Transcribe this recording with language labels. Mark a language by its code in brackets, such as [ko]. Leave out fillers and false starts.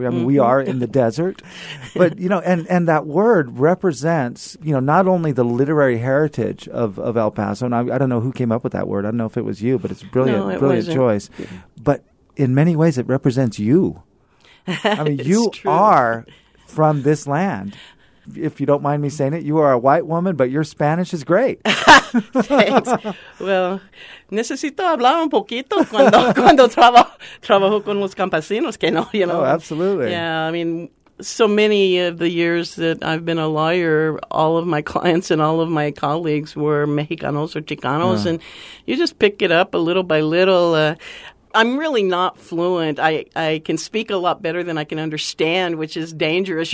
[en] I mean, we are in the desert. But, you know, and that word represents, you know, not only the literary heritage of El Paso, and I don't know who came up with that word. I don't know if it was you, but it's brilliant, choice. But in many ways, it represents you. I mean, you are from this land. If you don't mind me saying it, you are a white woman, but your Spanish is great. Thanks. [es] Well, necesito hablar un poquito cuando trabajo con los campesinos, que no, [en] you know. Oh, absolutely. Yeah, I mean, so many of the years that I've been a lawyer, all of my clients and all of my colleagues were Mexicanos or Chicanos, and you just pick it up a little by little. I'm really not fluent. I can speak a lot better than I can understand, which is dangerous.